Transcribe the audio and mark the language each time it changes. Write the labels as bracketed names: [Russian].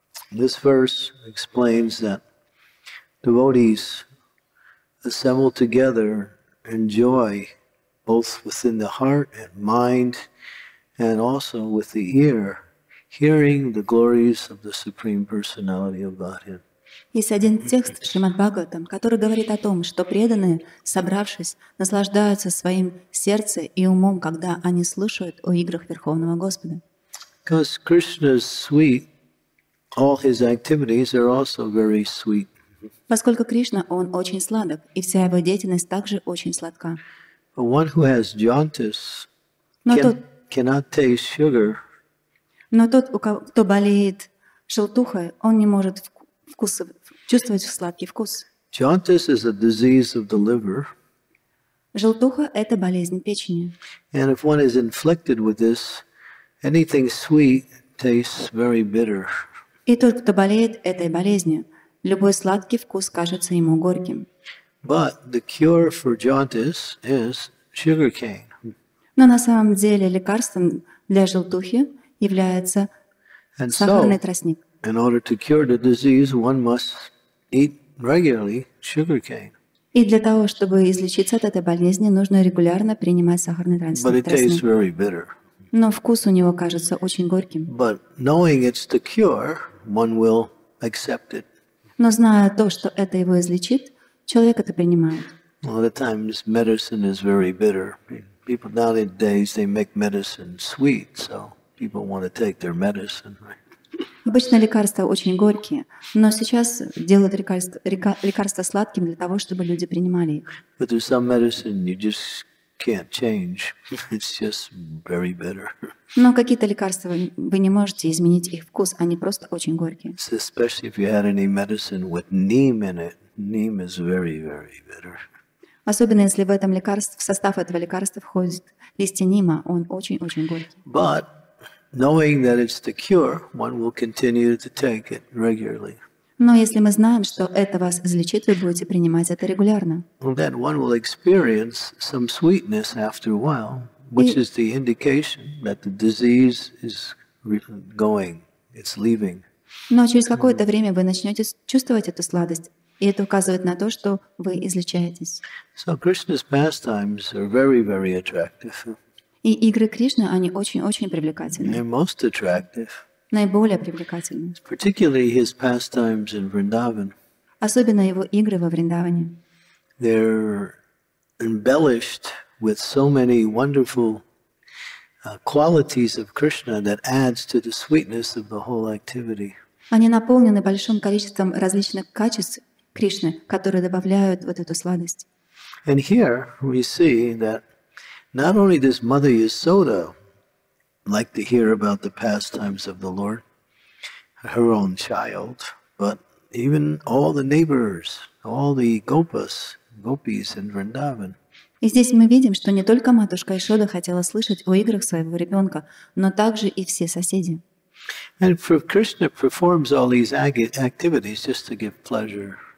[English] This verse explains that devotees assemble together in joy both within the heart and mind and also with the ear, hearing the glories of the Supreme Personality of Godhead. [Russian] Есть один текст Шримад Бхагаватам, который говорит о том, что преданные, собравшись, наслаждаются своим сердцем и умом, когда они слушают о играх Верховного Господа. [English] Because Krishna is sweet, all his activities are also very sweet. [Russian] Поскольку Кришна, он очень сладок, и вся его деятельность также очень сладка. [English] But one who has jaundice cannot taste sugar. [Russian] Но тот, кто болеет желтухой, он не может чувствовать сладкий вкус. [English] Jaundice is a disease of the liver. [Russian] Желтуха – это болезнь печени. [English] And if one is inflicted with this, anything sweet tastes very bitter. [Russian] И тот, кто болеет этой болезнью, любой сладкий вкус кажется ему горьким. [English] But the cure for jaundice is sugarcane. [Russian] Но на самом деле лекарством для желтухи является [English] And [Russian] сахарный [English] so, [Russian] тростник. [English] In order to cure the disease, one must eat regularly sugarcane. [Russian] И для того, чтобы излечиться от этой болезни, нужно регулярно принимать сахарный тростник. [English] But it tastes very bitter. [Russian] Но вкус у него кажется очень горьким. [English] But knowing it's the cure, one will accept it. [Russian] Но зная то, что это его излечит, человек это принимает. [English] A lot of times medicine is very bitter. People nowadays they make medicine sweet, so people want to take their medicine. [Russian] Обычно лекарства очень горькие, но сейчас делают лекарства сладким для того, чтобы люди принимали их. [English] But there's some medicine you just can't change. It's just very bitter. [Russian] Но какие-то лекарства вы не можете изменить их вкус, они просто очень горькие. [English] It's especially if you had any medicine with neem in it. Neem is very, very bitter. [Russian] Особенно если в этом лекарстве, в состав этого лекарства входит листья нима, он очень-очень горький. [English] But Knowing that it's the cure, one will continue to take it regularly. [Russian] Но если мы знаем, что это вас излечит, вы будете принимать это регулярно. [English] Then one will experience some sweetness after a while, which is the indication that the disease is going, it's leaving. [Russian] Но через какое-то время вы начнете чувствовать эту сладость, и это указывает на то, что вы излечаетесь. [English] So Krishna's pastimes are very, very attractive. [Russian] И игры Кришны, они очень-очень привлекательны. [English] They're most attractive. [Russian] Наиболее привлекательны. [English] Particularly his pastimes in Vrindavan. [Russian] Особенно его игры во Вриндаване. [English] They're embellished with so many wonderful qualities of Krishna that adds to the sweetness of the whole activity. [Russian] Они наполнены большим количеством различных качеств Кришны, которые добавляют вот эту сладость. [English] And here we see that Not only does Mother Yasoda like to hear about the pastimes of the Lord, her own child, but even all the neighbors, all the gopas, gopis in Vrindavan. [Russian] И здесь мы видим, что не только матушка Ишода хотела слышать о играх своего ребенка, но также и все соседи. [English] And Krishna performs all these activities just to give pleasure.